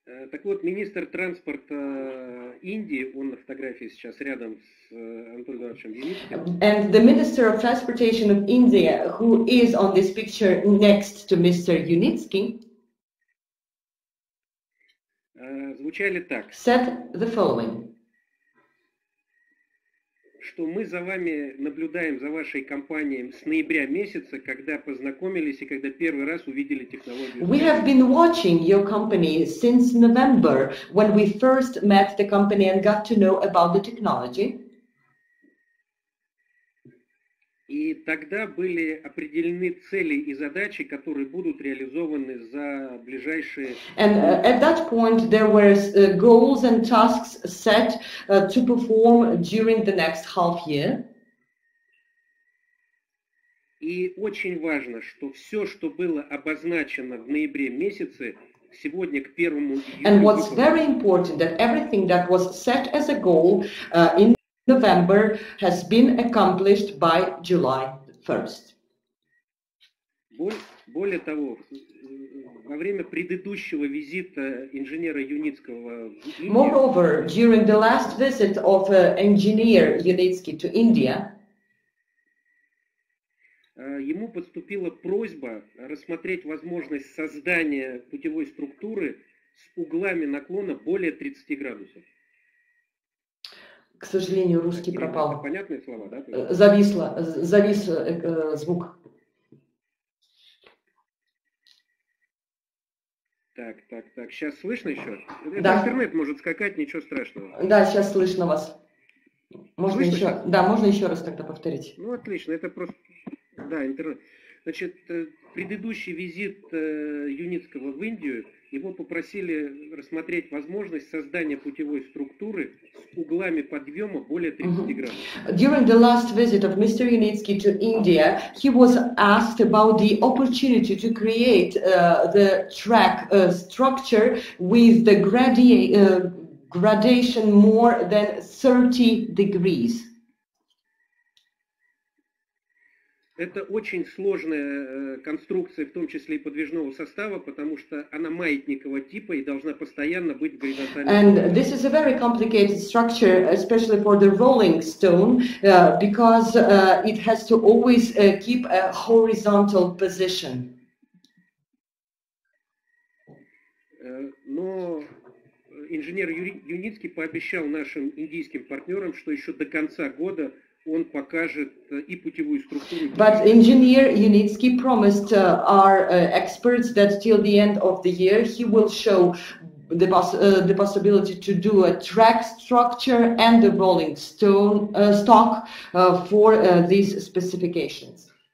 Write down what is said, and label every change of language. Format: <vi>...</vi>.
<ru>Так вот, министр транспорта Индии, он на фотографии сейчас рядом с Анатолием Эдуардовичем Яницким.</ru> <en>And the Minister of Transportation of India, who is on this picture next to Mr. Yunitsky,</en> <ru>звучали так.</ru> <en>Said the following.</en> <ru>Что мы за вами наблюдаем, за вашей компанией с ноября месяца, когда познакомились и когда первый раз увидели технологию.</ru> <en>We have been watching your company since November, when we first met the company and got to know about the technology.</en> <ru>И тогда были определены цели и задачи, которые будут реализованы за ближайшие.</ru> <en>And at that point there were goals and tasks set to perform during the next half year.</en> <ru>И очень важно, что все, что было обозначено в ноябре месяце, сегодня к первому июля.</ru> <en>And what's very important, that everything that was set as a goal in November has been accomplished by July 1st.</en> <ru>Более того, во время предыдущего визита инженера Юницкого.</ru> <en>Moreover, during the last visit of engineer Yunitsky to India,</en> <ru>ему поступила просьба рассмотреть возможность создания путевой структуры с углами наклона более 30 градусов. К сожалению, русский пропал. Понятные слова, да? Завис звук. Так. Сейчас слышно еще? Да. Это интернет может скакать, ничего страшного. Да, сейчас слышно вас. Можно еще? Да, можно еще раз тогда повторить. Ну, отлично. Это просто... Да, интернет. Значит, предыдущий визит Юницкого в Индию, его попросили рассмотреть возможность создания путевой структуры с углами подъема более 30 градусов.</ru> <en>During the last visit of Mr. Yunitsky to India, he was asked about the opportunity to create the track structure with the gradation more than 30 degrees.</en> <ru>Это очень сложная конструкция, в том числе и подвижного состава, потому что она маятникового типа и должна постоянно быть в горизонтальном.</ru> <en>And this is a very complicated structure, especially for the rolling stone, because it has to always keep a horizontal position.</en> <ru>Но инженер Юницкий пообещал нашим индийским партнерам, что еще до конца года он покажет и путевую структуру.</ru> <en>But engineer Yunitsky promised our experts that till the end of the year he will show the possibility to do a track structure and the rolling stone stock for these specifications.</en>